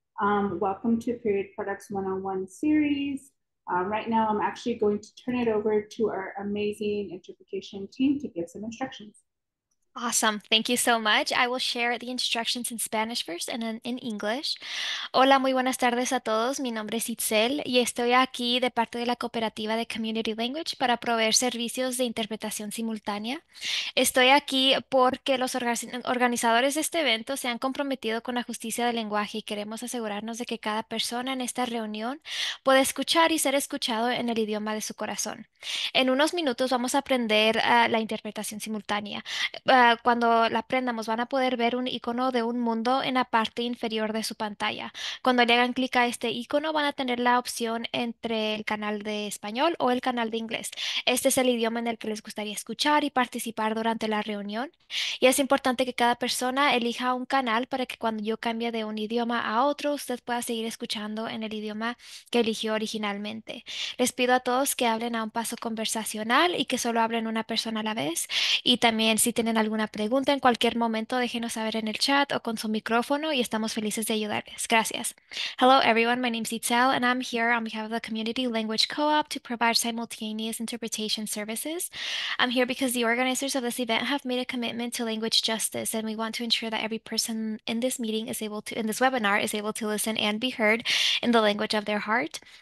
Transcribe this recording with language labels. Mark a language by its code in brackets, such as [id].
[en] Welcome to Period Products 101 series. Right now, I'm actually going to turn it over to our amazing interpretation team to give some instructions. Awesome. Thank you so much. I will share the instructions in Spanish first and then in English. [es] Hola, muy buenas tardes a todos. Mi nombre es Itzel y estoy aquí de parte de la Cooperativa de Community Language para proveer servicios de interpretación simultánea. Estoy aquí porque los organizadores de este evento se han comprometido con la justicia del lenguaje y queremos asegurarnos de que cada persona en esta reunión pueda escuchar y ser escuchado en el idioma de su corazón. En unos minutos vamos a aprender la interpretación simultánea. Cuando la aprendamos, van a poder ver un icono de un mundo en la parte inferior de su pantalla. Cuando le hagan clic a este icono, van a tener la opción entre el canal de español o el canal de inglés. Este es el idioma en el que les gustaría escuchar y participar durante la reunión. Y es importante que cada persona elija un canal para que cuando yo cambie de un idioma a otro, usted pueda seguir escuchando en el idioma que eligió originalmente. Les pido a todos que hablen a un paso conversacional y que solo hablen una persona a la vez. Y también, si tienen alguna pregunta en cualquier momento, déjenos saber en el chat o con su micrófono y estamos felices de ayudarles. Gracias. [en] Hello everyone, my name is Itzel and I'm here on behalf of the Community Language Co-op to provide simultaneous interpretation services. I'm here because the organizers of this event have made a commitment to language justice and we want to ensure that every person in this meeting is able to, in this webinar, is able to listen and be heard in the language of their heart.